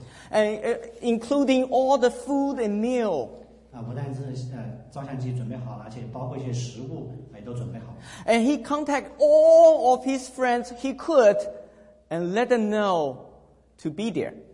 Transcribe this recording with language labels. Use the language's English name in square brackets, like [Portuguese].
[English] And including all the food and meal. [Chinese] 不但是照相机准备好了，而且包括一些食物也都准备好。 [English] And he contacted all of his friends he could and let them know to be there.